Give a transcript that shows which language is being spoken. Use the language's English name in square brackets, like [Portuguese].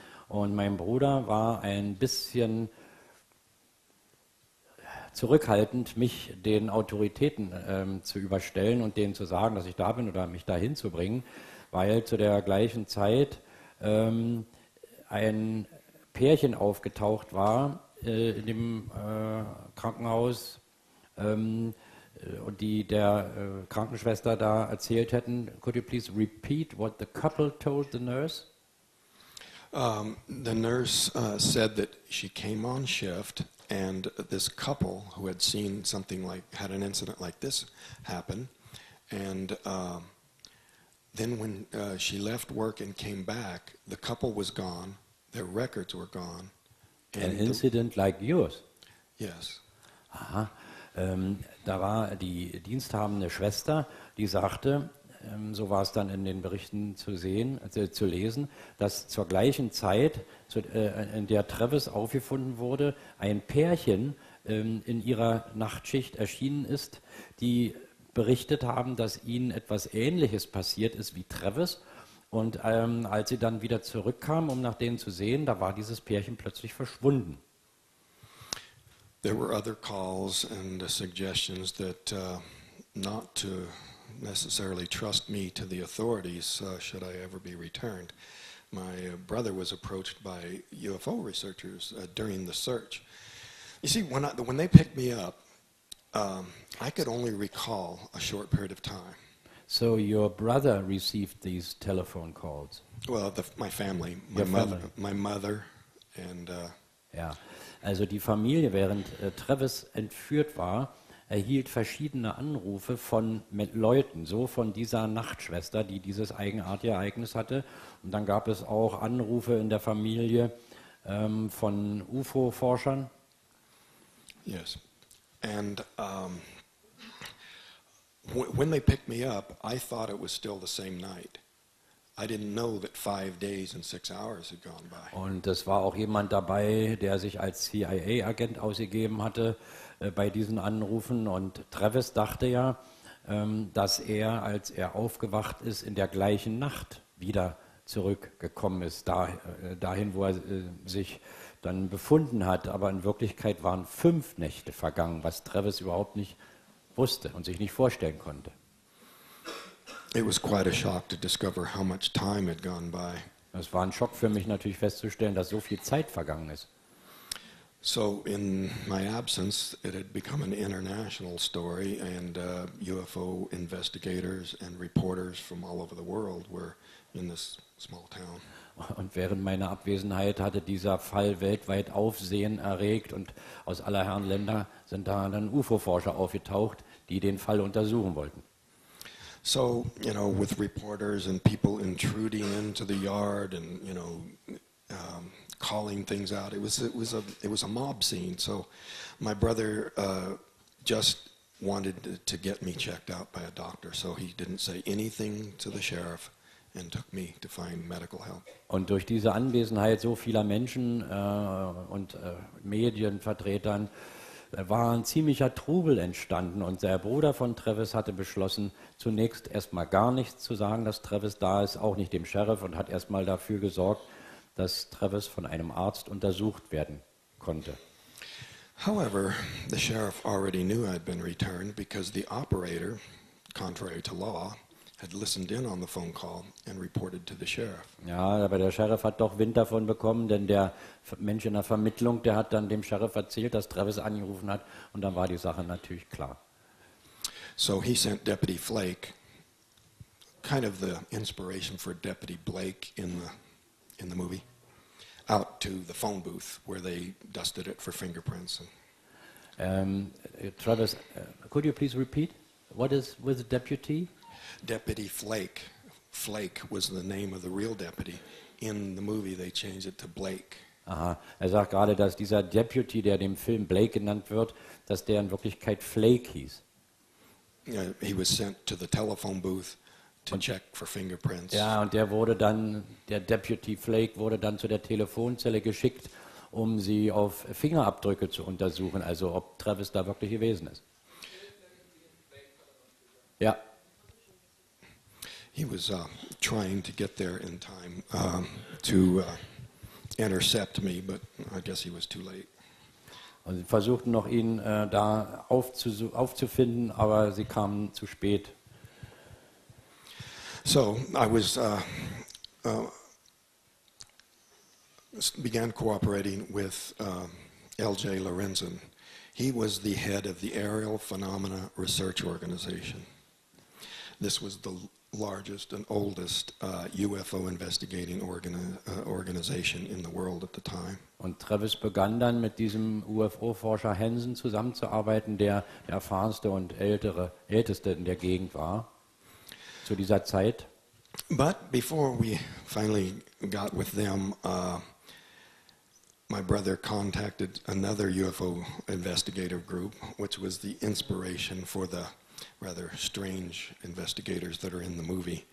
[German] Und mein Bruder war ein bisschen zurückhaltend, mich den Autoritäten zu überstellen und denen zu sagen, dass ich da bin oder mich da hinzubringen, weil zu der gleichen Zeit ein Pärchen aufgetaucht war in dem Krankenhaus und die der Krankenschwester da erzählt hätten. [English] Could you please repeat what the couple told the nurse? The nurse said that she came on shift and this couple who had seen something like, had an incident like this happen, and then when she left work and came back, the couple was gone. Their records were gone. An incident like yours? Yes. Aha. [German] Da war die diensthabende Schwester, die sagte, so war es dann in den Berichten zu sehen, zu lesen, dass zur gleichen Zeit, in der Travis aufgefunden wurde, ein Pärchen in ihrer Nachtschicht erschienen ist, die berichtet haben, dass ihnen etwas Ähnliches passiert ist wie Travis. Und als sie dann wieder zurückkam, um nach denen zu sehen, da war dieses Pärchen plötzlich verschwunden. [English] There were other calls and suggestions that not to necessarily trust me to the authorities should I ever be returned. My brother was approached by UFO researchers during the search. You see, when they picked me up, I could only recall a short period of time. So your brother received these telephone calls. Well, my family, my mother, and yeah. [German] Also die Familie, während Travis entführt war, erhielt verschiedene Anrufe von Leuten, so von dieser Nachtschwester, die dieses eigenartige Ereignis hatte. Und dann gab es auch Anrufe in der Familie von UFO-Forschern. [English] Yes, and when they picked me up, I thought it was still the same night. I didn't know that 5 days and 6 hours had gone by. [German] Und es war auch jemand dabei, der sich als CIA-Agent ausgegeben hatte bei diesen Anrufen. Und Travis dachte ja, dass er, als er aufgewacht ist, in der gleichen Nacht wieder zurückgekommen ist, dahin, wo er sich dann befunden hat. Aber in Wirklichkeit waren 5 Nächte vergangen, was Travis überhaupt nicht wusste und sich nicht vorstellen konnte. [English] It was quite a shock to discover how much time had gone by. [German] Es war ein Schock für mich natürlich festzustellen, dass so viel Zeit vergangen ist. [English] So in my absence it had become an international story and UFO investigators and reporters from all over the world were in this small town. [German] Und während meiner Abwesenheit hatte dieser Fall weltweit Aufsehen erregt und aus aller Herren Länder sind da dann UFO-Forscher aufgetaucht, die den Fall untersuchen wollten. [English] So, you know, with reporters and people intruding into the yard and, you know, calling things out, it was a mob scene. So my brother just wanted to get me checked out by a doctor, so he didn't say anything to the sheriff. And took me to find medical help. [German] Und durch diese Anwesenheit so vieler Menschen und Medienvertretern war ein ziemlicher Trubel entstanden. Und der Bruder von Travis hatte beschlossen, zunächst erstmal gar nichts zu sagen, dass Travis da ist, auch nicht dem Sheriff, und hat erstmal dafür gesorgt, dass Travis von einem Arzt untersucht werden konnte. [English] However, the sheriff already knew I'd been returned because the operator, contrary to law, had listened in on the phone call and reported to the sheriff. [German] Ja, aber der Sheriff hat doch Wind davon bekommen, denn der Mensch in der Vermittlung, der hat dann dem Sheriff erzählt, dass Travis angerufen hat, und dann war die Sache natürlich klar. [English] So he sent Deputy Flake, kind of the inspiration for Deputy Blake in the movie, out to the phone booth where they dusted it for fingerprints. Travis, could you please repeat? What is with the deputy? Deputy Flake. Flake was the name of the real deputy. In the movie they changed it to Blake. Aha. [German] Er sagt gerade, dass dieser Deputy, der dem Film Blake genannt wird, dass der in Wirklichkeit Flake hieß. [English] He was sent to the telephone booth to check for fingerprints. [German] Ja, und der wurde dann, der Deputy Flake wurde dann zu der Telefonzelle geschickt, um sie auf Fingerabdrücke zu untersuchen, also ob Travis da wirklich gewesen ist. Ja. [English] He was trying to get there in time to intercept me, but I guess he was too late. [German] Und sie versuchten noch ihn da aufzufinden, aber sie kamen zu spät. [English] So I was began cooperating with L.J. Lorenzen. He was the head of the Aerial Phenomena Research Organization. This was the largest and oldest UFO investigating organization in the world at the time. [German] Und Travis begann dann mit diesem UFO-Forscher Hansen zusammenzuarbeiten, der der erfahrenste und älteste in der Gegend war zu dieser Zeit. [English] But before we finally got with them, my brother contacted another UFO investigative group, which was the inspiration for the rather strange investigators that are in the movie.